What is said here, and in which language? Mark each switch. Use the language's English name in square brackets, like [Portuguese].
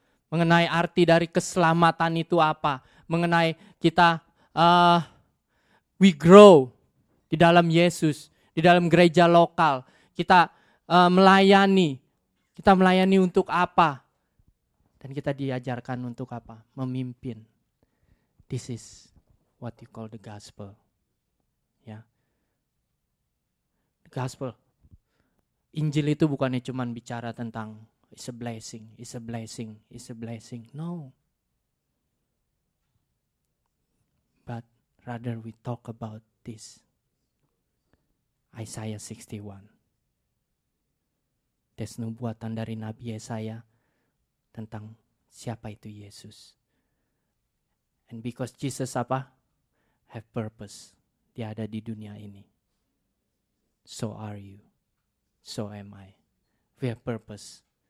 [Indonesian] Mengenai arti dari keselamatan itu apa? Mengenai kita [English] we grow [Indonesian] di dalam Yesus, di dalam gereja lokal. Kita melayani. Kita melayani untuk apa? Dan kita diajarkan untuk apa? Memimpin. [English] This is what you call the gospel. [Indonesian] Ya. [English] Yeah. Gospel. [Indonesian] Injil itu bukannya cuma bicara tentang [English] it's a blessing, it's a blessing, it's a blessing. No. But rather we talk about this. Isaiah 61. [Indonesian] Tes nubuatan dari Nabi Yesaya tentang siapa itu Yesus. [English] And because Jesus apa? Have purpose. [Indonesian] Dia ada di dunia ini. [English] So are you. So am I. We have purpose.